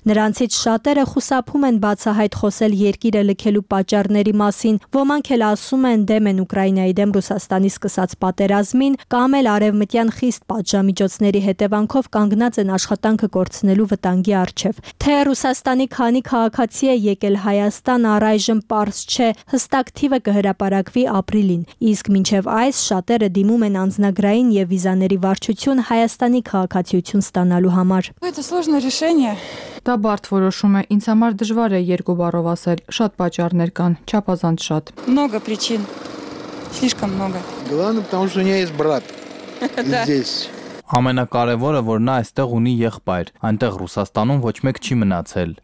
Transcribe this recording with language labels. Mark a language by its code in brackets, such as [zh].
[hy] Նրանցից շատերը խուսափում են բացահայտ խոսել երկիրը լքելու պատճառների մասին, ոմանք էլ ասում են դեմ են Ուկրաինայի դեմ Ռուսաստանի սկսած պատերազմին, կամ էլ արևմտյան խիստ պատժամիջոցների հետևանքով կանգնած են աշխատանքը կորցնելու վտանգի առջև։ Թե Ռուսաստանի քանի քաղաքացի է եկել Հայաստան, առայժմ պարզ չէ, հստակ թիվը կհրապարակվի ապրիլին, իսկ մինչև այս շատերը դիմում են անձնագրային և վիզաների վարչություն Հայաստանի քաղաքացիություն ստանալու համար։ Դա բարդ որոշում է, ինձ համար դժվար է երկու բառով ասել, շատ պատճառներ կան, չափազանց շատ։ [ru] Много причин. Слишком много. Главное, потому что у меня есть брат здесь. [hy] Ամենակարևորը, որ նա այստեղ ունի եղբայր, այնտեղ Ռուսաստանում ոչ մեկ չի մնացել։